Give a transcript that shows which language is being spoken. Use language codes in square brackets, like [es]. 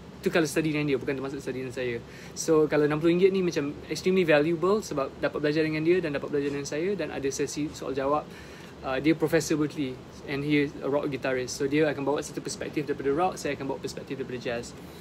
[ms] Itu kalau study dengan dia, bukan termasuk study dengan saya. So kalau RM60 ni macam [en] extremely valuable, [ms] sebab dapat belajar dengan dia dan dapat belajar dengan saya, dan ada sesi soal jawab. [en] Dia Professor Berklee and he is a rock guitarist. [ms] So dia akan bawa satu perspektif daripada rock, saya akan bawa perspektif daripada jazz.